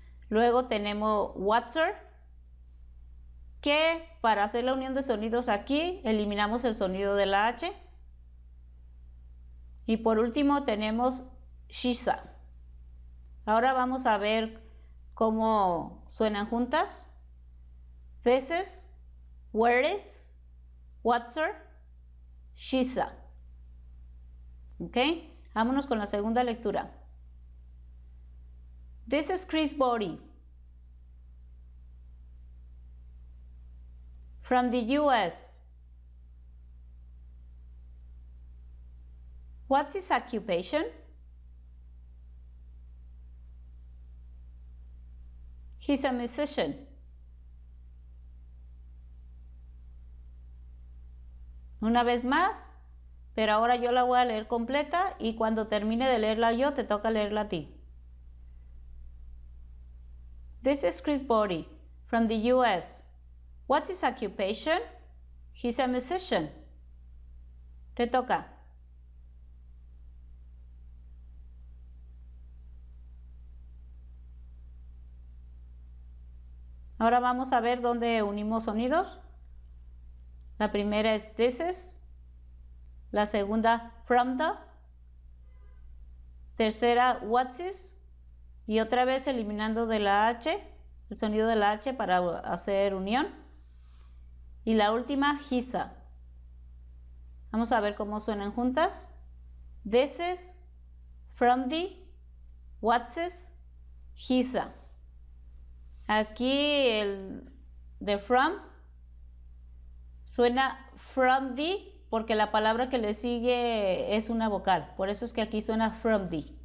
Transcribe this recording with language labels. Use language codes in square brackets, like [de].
[es] Luego tenemos [en] what's her. [es] Que para hacer la unión de sonidos aquí eliminamos el sonido de la H. Y por último tenemos she's. Ahora vamos a ver cómo suenan juntas. [en] This is, where is, what's her. Shisa. [es] Ok, vámonos con la segunda lectura. [en] This is Chris Body. From the US. What's his occupation? He's a musician. [es] Una vez más, pero ahora yo la voy a leer completa y cuando termine de leerla yo, te toca leerla a ti. [en] This is Chris Body from the US. What's his occupation? He's a musician. [es] Te toca. Ahora vamos a ver dónde unimos sonidos. La primera es [en] this is, [es] la segunda [en] from the, [es] tercera [en] what's is, [es] y otra vez eliminando de la H, el sonido de la H para hacer unión, y la última his. Vamos a ver cómo suenan juntas. [en] This is, from the, what's is, hisa. [es] Aquí el the from suena [en] from the, [es] porque la palabra que le sigue es una vocal. Por eso es que aquí suena [en] from the.